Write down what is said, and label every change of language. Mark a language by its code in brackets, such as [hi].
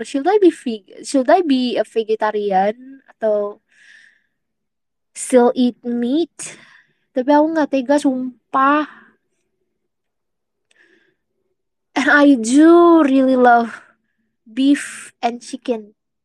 [en] Should I be a vegetarian [id] atau [en] still eat meat? [id] Tapi aku nggak tega, sumpah. [en] And I do really love beef and chicken.